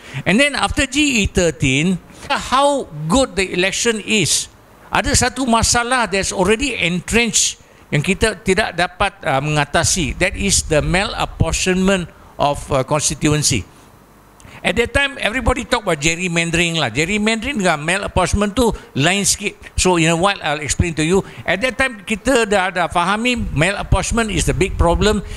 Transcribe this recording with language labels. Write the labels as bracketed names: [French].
[English] And then after GE 13, how good the election is. [Malay] Ada satu masalah [English] that's already entrenched [Malay] yang kita tidak dapat mengatasi. [English] That is the malapportionment of constituency. At that time, everybody talk about gerrymandering lah. [Malay] Gerrymandering dengan malapportionment tu lain sikit. [English] So in a while, I'll explain to you. At that time, [Malay] kita dah fahami [English] malapportionment is the big problem.